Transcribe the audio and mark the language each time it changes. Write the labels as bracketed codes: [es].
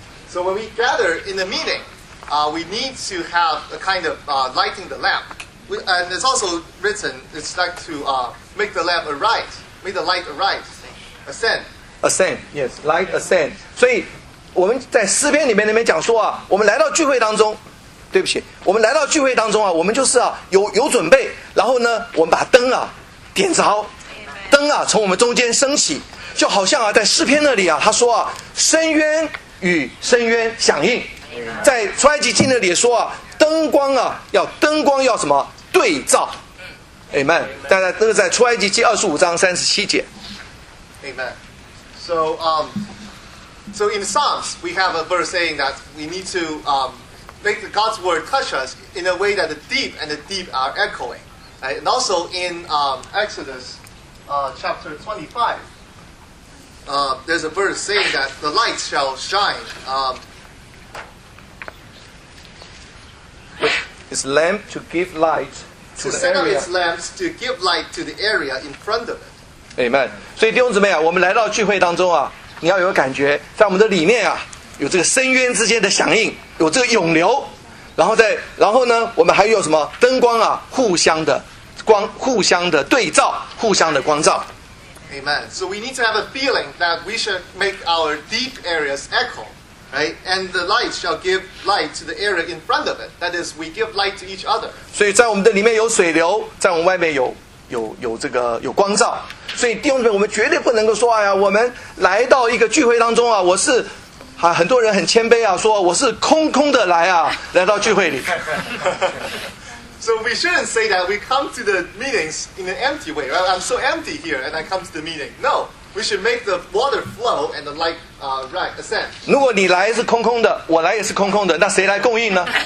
[en] So when we gather in the meeting, we need to have a kind of lighting the lamp. And it's also written, it's like to make the lamp arise, make the light arise, ascend. Ascend, yes, light ascend. [zh] 所以我们在诗篇里面那边讲说啊，我们来到聚会当中，对不起，我们来到聚会当中啊，我们就是啊有准备，然后呢，我们把灯啊点着，灯啊从我们中间升起，就好像啊在诗篇那里啊，他说啊，深渊与深渊响应。在出埃及记那里说啊，灯光啊，要灯光要什么对照 ？Amen。大家都是在出埃及记25:37。 [en] Amen. So, so in Psalms we have a verse saying that we need to make the God's word touch us in a way that the deep and the deep are echoing.、Right? And also in Exodus chapter 25, there's a verse saying that the light shall shine. His lamp to give light to the area. To set up his lamps to give light to the area in front of it. Amen. [zh] 所以弟兄姊妹啊，我们来到聚会当中啊，你要有感觉，在我们的里面啊，有这个深渊之间的响应，有这个涌流，然后呢，我们还有什么灯光啊，互相的光，互相的对照，互相的光照。 [en] Amen. So we need to have a feeling that we should make our deep areas echo. Right? And the light shall give light to the area in front of it. That is, we give light to each other. [zh] 所以在我们的里面有水流，在我们外面有这个有光照。所以弟兄们，我们绝对不能够说，哎呀，我们来到一个聚会当中啊，我是啊，很多人很谦卑啊，说我是空空的来啊，来到聚会里。 [en] So we shouldn't say that we come to the meetings in an empty way. Right? I'm so empty here, and I come to the meeting. No. We should make the water flow and the light right ascend. [zh] 如果你来是空空的，我来也是空空的，那谁来供应呢？